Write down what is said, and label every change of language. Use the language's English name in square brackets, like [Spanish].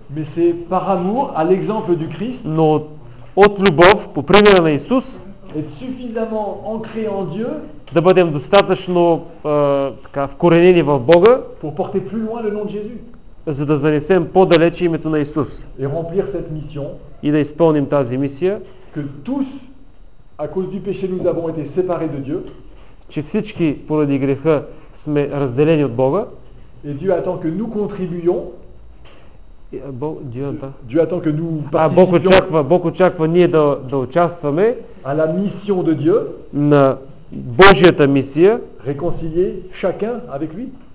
[French] Mais c'est par amour à l'exemple du Christ. [Bulgarian] Но от любов по примера на Исус. [French] Être suffisamment ancré en Dieu. [Bulgarian] Да бъдем достатъчно така вкоренени в Бога. [French] Pour porter plus loin le nom de Jésus. [Bulgarian] За да занесем по-далече името на Исус. [French] Et remplir cette mission, [Bulgarian] и да изпълним тази мисия. [French] Que tous, à cause du péché, nous avons été séparés de Dieu. [Bulgarian] Че всички поради греха сме разделени от Бога. [French] Et Dieu attend que nous contribuions. Dieu attend que nous participions. [Bulgarian] Бог очаква ние да участваме. [French] À la mission de Dieu. [Bulgarian] На Божията мисия. [French] Réconcilier chacun avec lui.